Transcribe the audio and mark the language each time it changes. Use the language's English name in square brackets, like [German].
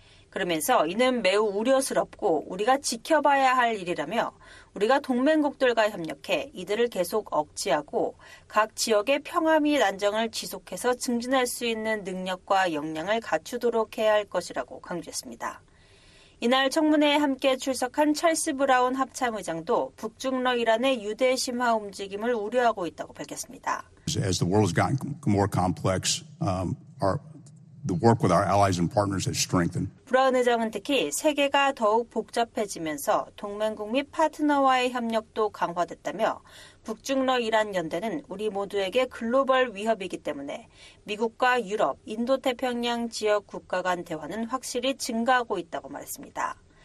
[Korean] 그러면서 이는 매우 우려스럽고 우리가 지켜봐야 할 일이라며 우리가 동맹국들과 협력해 이들을 계속 억제하고 각 지역의 평화 및 안정을 지속해서 증진할 수 있는 능력과 역량을 갖추도록 해야 할 것이라고 강조했습니다. 이날 청문회에 함께 출석한 찰스 브라운 합참의장도 북중러 이란의 유대 심화 움직임을 우려하고 있다고 밝혔습니다. [English] As the world has gotten more complex, the work with our allies and partners has strengthened. [Korean] 브라운 의장은 특히 세계가 더욱 복잡해지면서 동맹국 및 파트너와의 협력도 강화됐다며 북중러 이란 연대는 우리 모두에게 글로벌 위협이기 때문에 미국과 유럽, 인도태평양 지역 국가 간 대화는 확실히 증가하고 있다고 말했습니다.